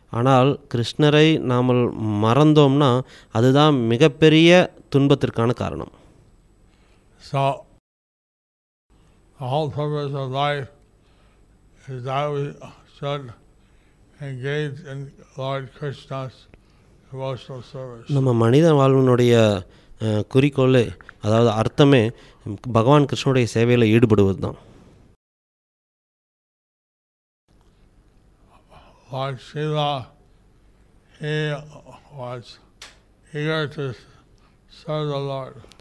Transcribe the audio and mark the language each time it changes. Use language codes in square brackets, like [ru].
[ta] ஆனால் கிருஷ்ணரை நாம் மறந்தோம்னா அதுதான் மிகப்பெரிய துன்பத்திற்கான காரணம். [en] So, the whole purpose of life is that we should engage in Lord Krishna's devotional service. [ta] நம்ம மனித வாழ்வினுடைய குறிக்கோள், அதாவது அர்த்தமே பகவான் கிருஷ்ணருடைய சேவையில் ஈடுபடுவது தான். [en] Lord Shiva, he was eager to serve the Lord.